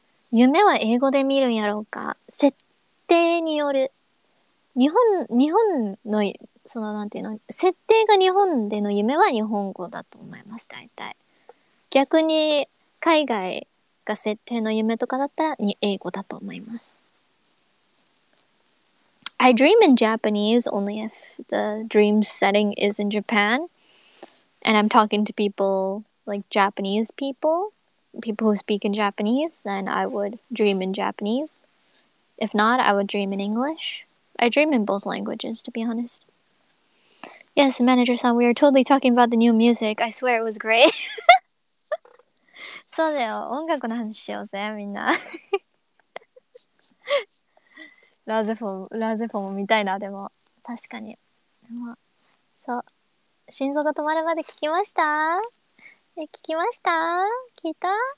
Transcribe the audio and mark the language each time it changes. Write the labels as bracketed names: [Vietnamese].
[Japanese] 夢は英語で見るんやろうか。設定による、日本のそのなんていうの、設定が日本での夢は日本語だと思います。大体逆に海外が設定の夢とかだったらに英語だと思います。 [English] I dream in Japanese only if the dream setting is in Japan and I'm talking to people like Japanese people who speak in Japanese, then I would dream in Japanese. If not, I would dream in English. I dream in both languages, to be honest. Yes, manager-san, we are totally talking about the new music. I swear it was great. [Japanese] そうだよ、音楽の話しようぜ、みんな。ラーゼフォーも見たいな、でも。確かに。でも、そう。心臓が止まるまで聞きました?え、聞きました?聞いた?